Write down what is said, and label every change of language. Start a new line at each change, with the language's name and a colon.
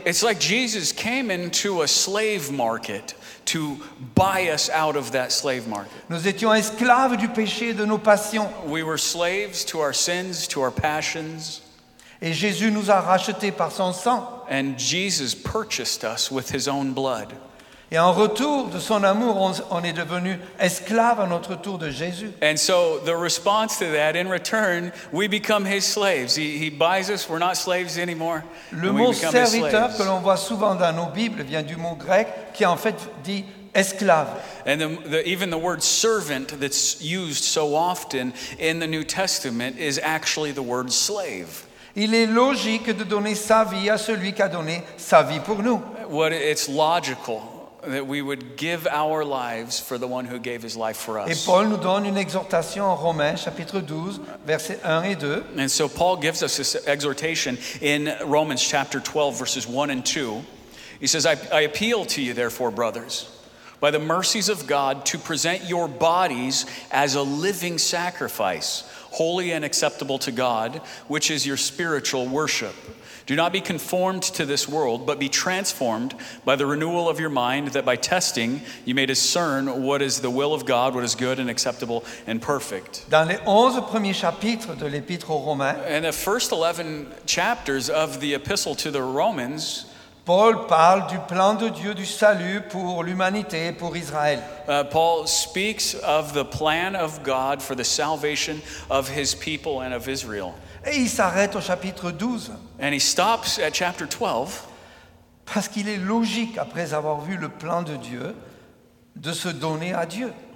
English: It's like Jesus came into a slave market to buy us out of that slave market.
French: Nous étions esclaves du péché de nos passions.
English: We were slaves to our sins, to our passions.
French: Et Jésus nous a rachetés par son sang.
English: And Jesus purchased us with his own blood.
French: Et en retour de son amour, on est devenu esclaves à notre tour de Jésus.
English: And so the response to that, in return, we become his slaves. He buys us, we're not slaves anymore.
French: Le mot serviteur que l'on voit souvent dans nos Bibles vient du mot grec qui en fait dit esclave.
English: And even the word servant that's used so often in the New Testament is actually the word slave.
French: Il est logique de donner sa vie à celui qui a donné sa vie pour nous.
English: It's logical that we would give our lives for the one who gave his life for us.
French: Et Paul nous donne une exhortation en Romains chapitre 12 versets 1 et 2.
English: And so Paul gives us this exhortation in Romans chapter 12 verses 1 and 2. He says, I appeal to you therefore, brothers, by the mercies of God, to present your bodies as a living sacrifice, holy and acceptable to God, which is your spiritual worship. Do not be conformed to this world, but be transformed by the renewal of your mind, that by testing you may discern what is the will of God, what is good and acceptable and perfect.
French: Dans les 11 premiers chapitres de l'Épître aux Romains,
English: in the first 11 chapters of the Epistle to the Romans,
French: Paul parle du plan de Dieu du salut pour l'humanité et pour Israël.
English: Paul speaks of the plan of God for the salvation of his people and of Israel.
French: Et il s'arrête au chapitre 12.
English: And he stops at chapter 12.
French: Parce qu'il est logique, après avoir vu le plan de Dieu, de se donner à Dieu.